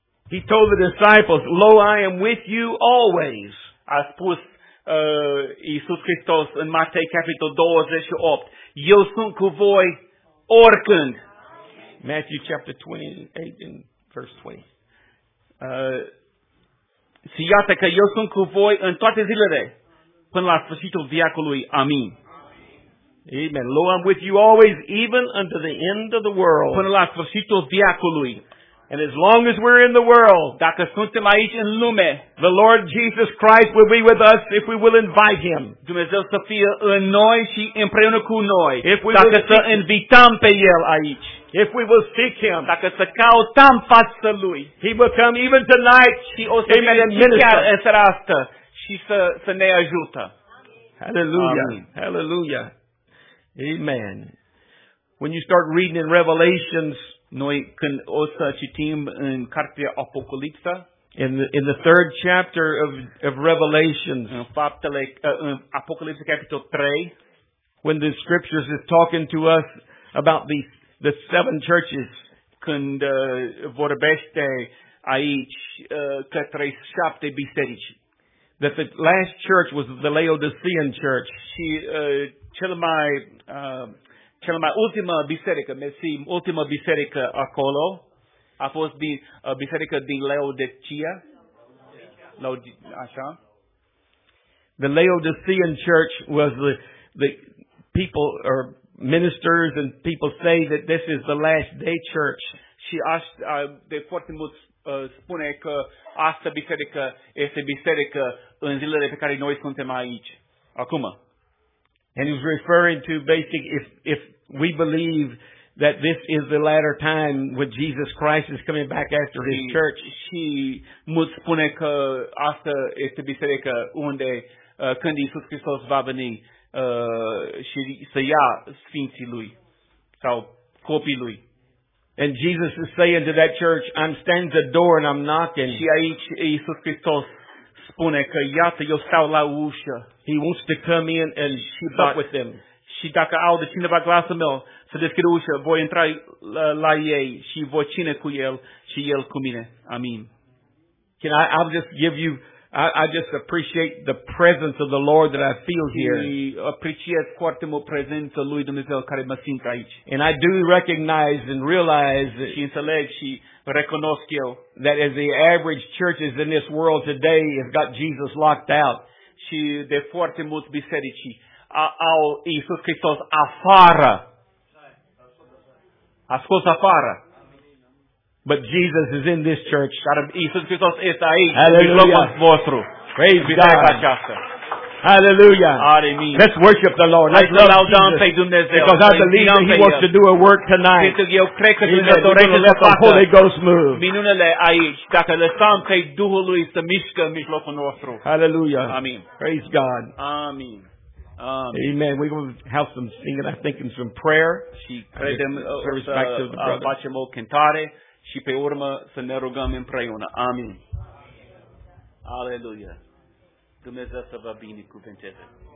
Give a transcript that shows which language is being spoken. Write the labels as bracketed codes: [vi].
[en] He told the disciples, "Lo, I am with you always." [ro] A spus Iisus Hristos în Matei capitol 28, "Eu sunt cu voi oricând." [en] Matthew chapter 28 and verse 20. [ro] Și iată că eu sunt cu voi în toate zilele, până la sfârșitul veacului. Amin. [en] Amen. "Lo, I'm with you always, even unto the end of the world." [ro] Până la sfârșitul veacului. [en] "And as long as we're in the world," [ro] dacă suntem aici în lume, [en] "the Lord Jesus Christ will be with us if we will invite him." [ro] Dumnezeu să fie în noi și împreună cu noi. [en] If we [ro] dacă să invităm pe el aici. [en] If we will seek him. [ro] Dacă să căutăm fața lui. [en] He will come even tonight. [ro] Și o să vină chiar în seara asta. Și să ne ajută. [en] Hallelujah. Amen. Hallelujah. Amen. When you start reading in Revelations, [ro] noi când o să citim în cartea Apocalipsa, [en] in the third chapter of Revelations, [ro] în faptele, în Apocalipsa capitol 3, [en] when the scriptures is talking to us about the seven churches, [ro] când vorbește aici către șapte biserici, [en] that the last church was the Laodicean church. [ro] Și cel mai ultima biserică, mersi, ultima biserică acolo a fost biserica din Laodicea. Așa. [en] The Laodicean church was the people or ministers and people say that this is the last day church. [ro] Și de foarte mult spune că asta biserică este biserică în zilele pe care noi suntem aici. Acum. [en] And he's referring to basic if we believe that this is the latter time when Jesus Christ is coming back after his church. [ro] Și mult spune că asta este biserica unde când Iisus Hristos va veni și să ia sfinții lui sau copii lui. [en] And Jesus is saying to that church, "I'm standing at the door and I'm knocking." [ro] Și aici Iisus Hristos spune că iată eu stau la ușă. [en] He wants to come in and talk with them. [ro] Și dacă aude cineva glasul meu, să deschid ușa, voi intra la ei și voi cine cu el și el cu mine. Amin. [en] Can I'll just give you, I just appreciate the presence of the Lord that I feel here. [ro] Și apreciez foarte mult prezența lui Dumnezeu care mă simt aici. [en] And I do recognize and realize [ro] și înțeleg și recunosc eu [en] that as the average churches in this world today have got Jesus locked out. [ro] Și de foarte mulți biserici au Iisus Hristos afară. A scos afară. [en] But Jesus is in this church. [ro] Iisus Hristos este aici în locul vostru. [en] Praise be to God. Hallelujah. Let's worship the Lord. Let's love Jesus. Because I believe that he wants to do a work tonight. [ro] Eu cred că Dumnezeu vrea să facă [en] Holy Ghost move. [ro] Minunele aici. Dacă lăsăm pe Duhul lui să mișcă în mijlocul nostru. [en] Hallelujah. [ro] Amin. [en] Praise God. [ro] Amin. [en] Amen. We're going to have some singing, I think, and some prayer. [ro] Și credem să facem o cântare și pe urmă să ne rugăm împreună. Amin. Aleluia. Dumnezeu să vă binecuvânteze.